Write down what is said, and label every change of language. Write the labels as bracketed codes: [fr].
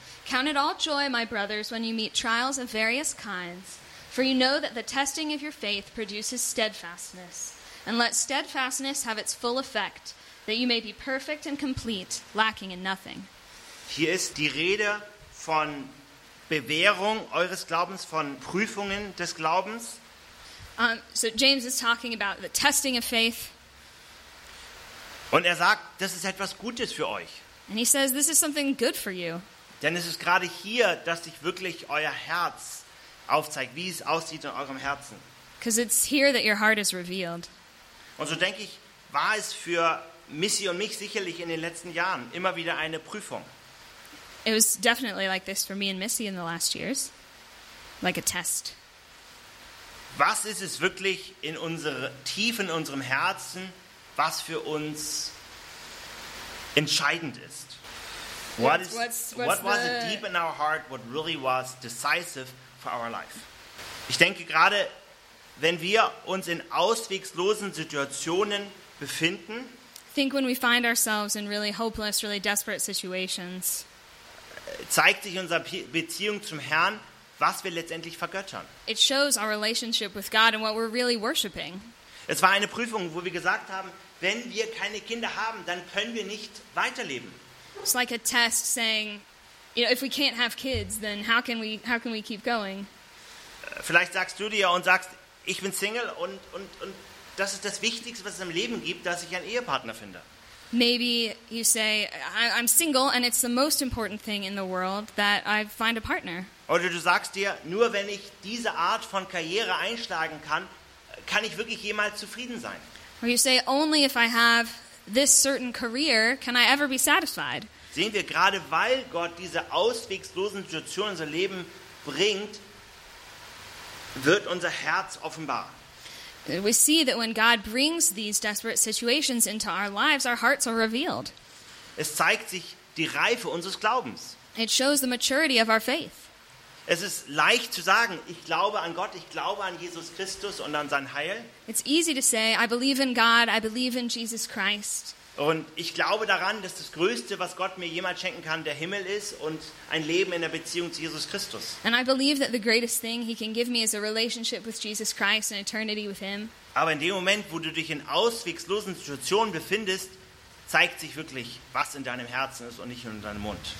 [en] Count it all joy, my brothers, when you meet trials of various kinds, for you know that the testing of your faith produces steadfastness. And let steadfastness have its full effect, that you may be perfect and complete, lacking in nothing. [de] Hier ist die Rede von Bewährung eures Glaubens, von Prüfungen des Glaubens. [en] So James is talking about the testing of faith. [de] Und er sagt, das ist etwas Gutes für euch. [en] And he says, this is something good for you. [de] Denn es ist gerade hier, dass sich wirklich euer Herz aufzeigt, wie es aussieht in eurem Herzen. [en] Because it's here that your heart is revealed. [de] Und so denke ich, war es für Missy und mich sicherlich in den letzten Jahren immer wieder eine Prüfung. [en] It was definitely like this for me and Missy in the last years. Like a test. [de] Was ist es wirklich in tief in unserem Herzen, was für uns entscheidend ist? [en] What was it deep in our heart, what really was decisive for our life? [de] Ich denke gerade, wenn wir uns in ausweglosen Situationen befinden, [en] I think when we find ourselves in really hopeless, really desperate situations, [de] zeigt sich unsere Beziehung zum Herrn, was wir letztendlich vergöttern. [en] It shows our relationship with God and what we're really worshiping. [de] Es war eine Prüfung, wo wir gesagt haben, wenn wir keine Kinder haben, dann können wir nicht weiterleben. [en] It's like a test saying, you know, if we can't have kids, then how can we keep going? [de] Vielleicht sagst du dir und sagst, ich bin Single und das ist das Wichtigste, was es im Leben gibt, dass ich einen Ehepartner finde. [en] Maybe you say, I'm single and it's the most important thing in the world that I find a partner. [de] Oder du sagst dir, nur wenn ich diese Art von Karriere einschlagen kann, kann ich wirklich jemals zufrieden sein. [en] Or you say, only if I have this certain career can I ever be satisfied. [de] Sehen wir, gerade weil Gott diese ausweglosen Situationen in unser Leben bringt, wird unser Herz offenbar. [en] We see that when God brings these desperate situations into our lives, our hearts are revealed. [de] Es zeigt sich die Reife unseres Glaubens. [en] It shows the maturity of our faith. [de] Es ist leicht zu sagen, ich glaube an Gott, ich glaube an Jesus Christus und an sein Heil. [en] It's easy to say, I believe in God, I believe in Jesus Christ. [de] Und ich glaube daran, dass das Größte, was Gott mir jemals schenken kann, der Himmel ist und ein Leben in der Beziehung zu Jesus Christus. [en] And I believe that the greatest thing he can give me is a relationship with Jesus Christ and eternity with him. [de] Aber in dem Moment, wo du dich in ausweglosen Situationen befindest, zeigt sich wirklich, was in deinem Herzen ist und nicht nur in deinem Mund.